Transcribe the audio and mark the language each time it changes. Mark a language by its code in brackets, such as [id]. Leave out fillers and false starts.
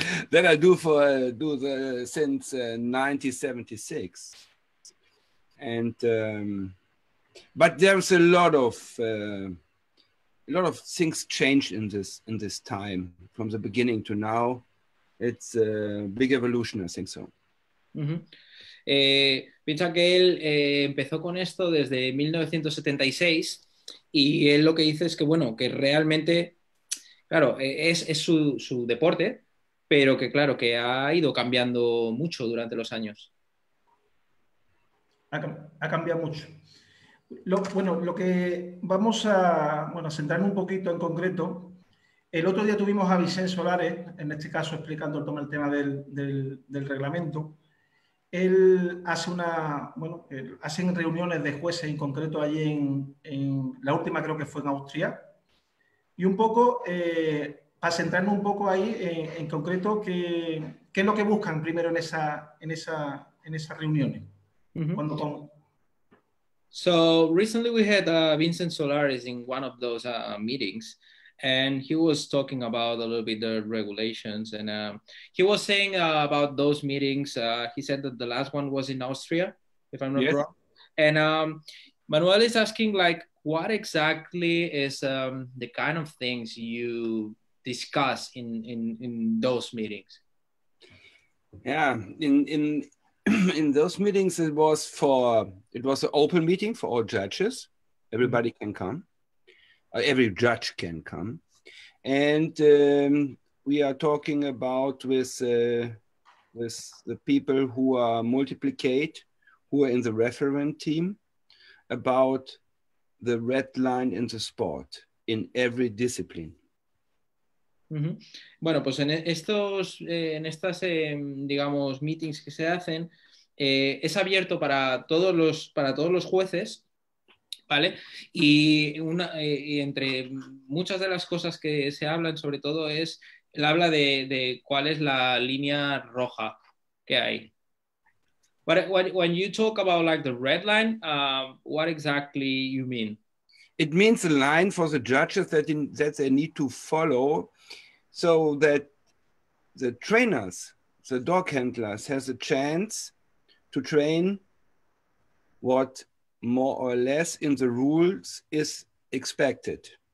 [en] That I do since 1976, and but there's a lot of things changed in this time from the beginning to now. It's a big evolution, I think so. Mm-hmm. [es] Piensa que él empezó con esto desde 1976, y él lo que dice es que bueno, que realmente claro, es su deporte, pero que claro, que ha ido cambiando mucho durante los años. Ha cambiado mucho. Lo que vamos a, bueno, a centrarnos un poquito en concreto, el otro día tuvimos a Vicente Solares, en este caso explicando el tema del reglamento. Él hace hacen reuniones de jueces en concreto allí en la última creo que fue en Austria. Y un poco, para centrarnos un poco ahí, en concreto, ¿qué es lo que buscan primero en esas reuniones? Mm-hmm. [en] So, recently we had Vincent Solares in one of those meetings, and he was talking about a little bit the regulations, and he was saying about those meetings, he said that the last one was in Austria, if I'm not yes. wrong. And Manuel is asking, like, what exactly is the kind of things you discuss in those meetings? Yeah, in those meetings it was an open meeting for all judges. Everybody can come. Every judge can come, and we are talking about with the people who are multiplicate, who are in the referent team, about the red line in the sport, in every discipline. Mm-hmm. [es] Bueno, pues en estas meetings que se hacen, es abierto para todos los jueces, ¿vale? Y entre muchas de las cosas que se hablan, sobre todo, es el habla de cuál es la línea roja que hay. [en] When you talk about like the red line, what exactly you mean? It means a line for the judges that they need to follow, so that the trainers, the dog handlers, has a chance to train what more or less in the rules is expected.